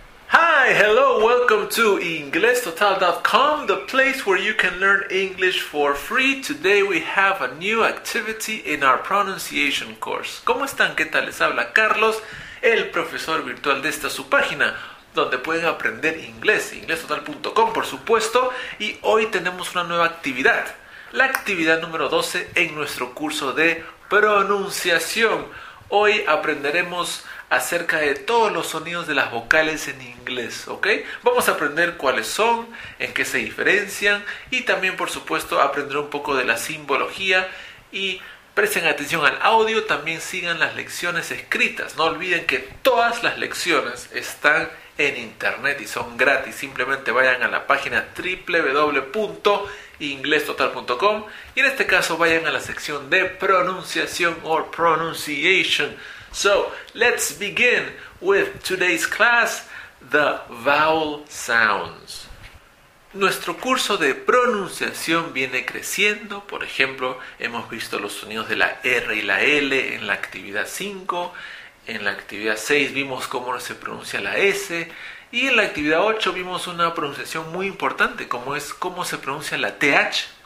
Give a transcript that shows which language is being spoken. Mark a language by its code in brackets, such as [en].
[en] Hi, hello, welcome to InglesTotal.com, the place where you can learn English for free. Today we have a new activity in our pronunciation course. [es] ¿Cómo están? ¿Qué tal? Les habla Carlos, el profesor virtual de esta su página, donde pueden aprender inglés, inglestotal.com, por supuesto. Y hoy tenemos una nueva actividad, la actividad número 12 en nuestro curso de pronunciación. Hoy aprenderemos acerca de todos los sonidos de las vocales en inglés, ¿ok? Vamos a aprender cuáles son, en qué se diferencian y también, por supuesto, aprender un poco de la simbología. Y presten atención al audio, también sigan las lecciones escritas. No olviden que todas las lecciones están en internet y son gratis. Simplemente vayan a la página www.inglestotal.com y en este caso vayan a la sección de pronunciación o pronunciation. [en] So, let's begin with today's class, the vowel sounds. [es] Nuestro curso de pronunciación viene creciendo. Por ejemplo, hemos visto los sonidos de la R y la L en la actividad 5. En la actividad 6 vimos cómo se pronuncia la S. Y en la actividad 8 vimos una pronunciación muy importante, como es cómo se pronuncia la TH.